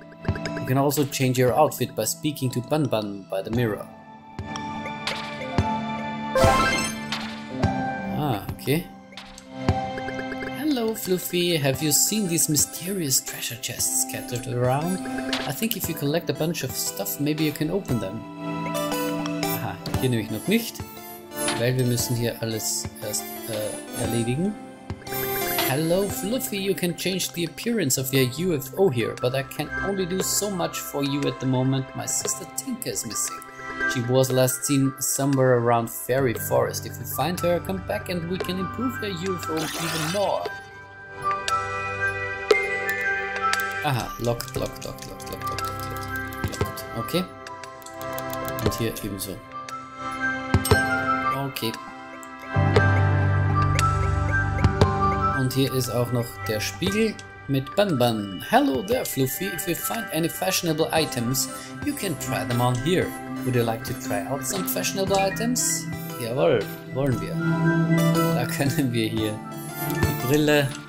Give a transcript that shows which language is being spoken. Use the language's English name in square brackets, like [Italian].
[English] You can also change your outfit by speaking to Bun Bun by the mirror. Ah, okay. Hello, Fluffy. Have you seen these mysterious treasure chests scattered around? I think if you collect a bunch of stuff, maybe you can open them. [German] Aha, hier nehme ich noch nicht, weil wir müssen hier alles erst erledigen. [English] Hello Fluffy, you can change the appearance of your UFO here, but I can only do so much for you at the moment. My sister Tinker is missing. She was last seen somewhere around Fairy Forest. If you find her, come back and we can improve her UFO even more. Aha, locked, locked, locked, locked, locked, locked, locked, locked. Okay. [German] Und hier ebenso. [English] Okay. [German] Und hier ist auch noch der Spiegel mit Bun Bun. [English] Hello there, Fluffy. If you find any fashionable items, you can try them on here. Would you like to try out some fashionable items? [German] Jawohl, wollen wir. Da können wir hier die Brille.